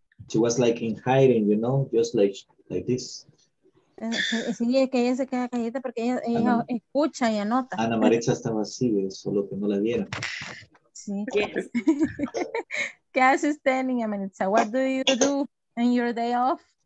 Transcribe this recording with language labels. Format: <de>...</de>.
<en>She was like in hiding, you know, just like this.</en> <es>Sí, es que ella se queda callada porque ella escucha y anota. Ana Maritza estaba así, solo que no la vieron. Sí. ¿Qué hace usted, niña Maritza?</es> <en>What do you do in your day off?</en>